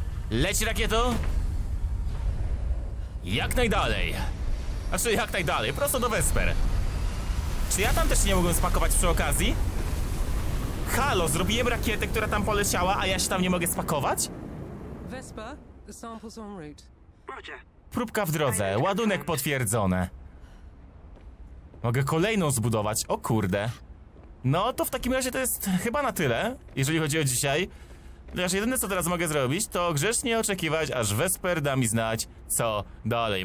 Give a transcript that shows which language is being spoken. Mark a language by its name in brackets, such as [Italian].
[Polish] Leci rakieto! Jak najdalej! Znaczy, jak najdalej, prosto do Vesper! Czy ja tam też nie mogłem spakować przy okazji? Halo, zrobiłem rakietę, która tam poleciała, a ja się tam nie mogę spakować? [English] Vesper, the sample's on route. Roger. [Polish] Próbka w drodze, ładunek potwierdzony. Mogę kolejną zbudować, o kurde. No, to w takim razie to jest chyba na tyle, jeżeli chodzi o dzisiaj. Chociaż jedyne, co teraz mogę zrobić, to grzecznie oczekiwać, aż Vesper da mi znać, co dalej.